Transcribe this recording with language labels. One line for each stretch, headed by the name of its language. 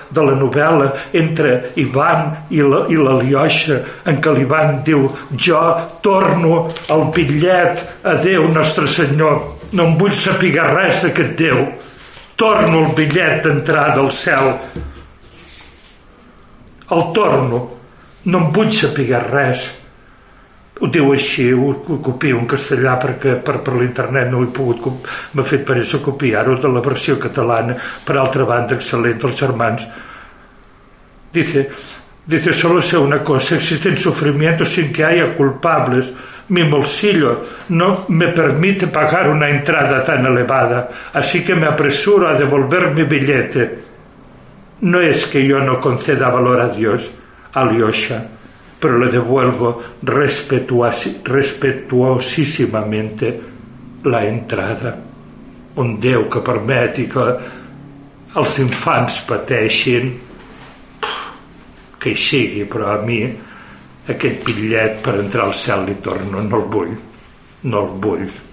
Catalan: la novel·la entre Ivan i l'Alyosha, en què l'Ivan diu: jo torno el bitllet a Déu, nostre senyor, no em vull saber res d'aquest Déu, torno el bitllet d'entrada al cel, el torno, no em vull saber res. Ho diu així, ho copio en castellà perquè per l'internet no ho he pogut, m'ha fet pereça copiar-ho de la versió catalana, per altra banda, excel·lent, dels germans.
Spanish: Dice, solo sé una cosa, existen sufrimientos sin que haya culpables. Mi bolsillo no me permite pagar una entrada tan elevada, así que me apresuro a devolver mi billete. No es que yo no conceda valor a Dios, Alyosha, pero le devuelvo respetuosísimamente la entrada.
Catalan: Un Déu que permeti que els infants pateixin, que hi sigui, però a mi aquest bitllet per entrar al cel li torno, no el vull.